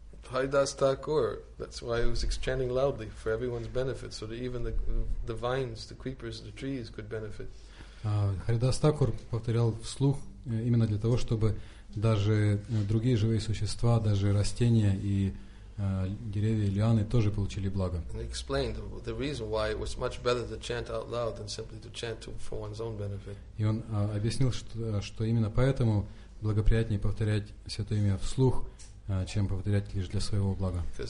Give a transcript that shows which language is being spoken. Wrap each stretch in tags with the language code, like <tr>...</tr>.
<en>Haridas Thakur, that's why he was chanting loudly for everyone's benefit, so that even the vines, the creepers, the trees could benefit.</en> <ru>Haridas Thakur повторял вслух именно для того, чтобы даже другие живые существа, даже растения и деревья, лианы тоже получили благо.</ru> <en>And he explained the reason why it was much better to chant out loud than simply to chant for one's own benefit.</en> <ru>И он объяснил, что именно поэтому благоприятнее повторять святое имя вслух, чем повторять лишь для своего блага.</ru>